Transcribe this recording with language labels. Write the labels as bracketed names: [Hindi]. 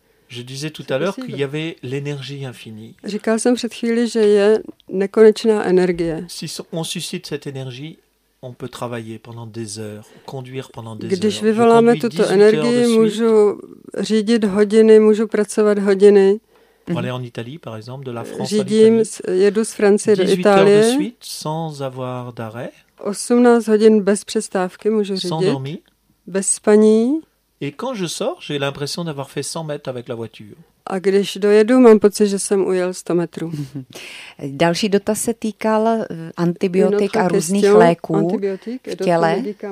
[French] Je disais tout à l'heure qu'il y avait l'énergie infinie. [Czech] Říkal jsem před chvíli, že je nekonečná energie. [French] Si on suscite cette énergie, on peut travailler pendant des heures, conduire pendant des [Czech] Když [French] heures. [Czech] Když vyvoláme tuto energii, můžu řídit hodiny, můžu pracovat hodiny. [French] Aller en Italie, par exemple, de la France [Czech] Řídím, jedu z Francie do Itálie. [French] 18 heures de suite, sans avoir d'arrêt. [Czech] 18 hodin bez přestávky můžu řídit. [French] Sans dormir. [Czech] Bez spaní. [French] Et quand je sors, j'ai l'impression d'avoir fait 100 mètres avec la voiture. [Czech] A když dojedu, mám pocit, že jsem ujel 100 metrů. Další dotaz se týkal antibiotik a různých léků v těle.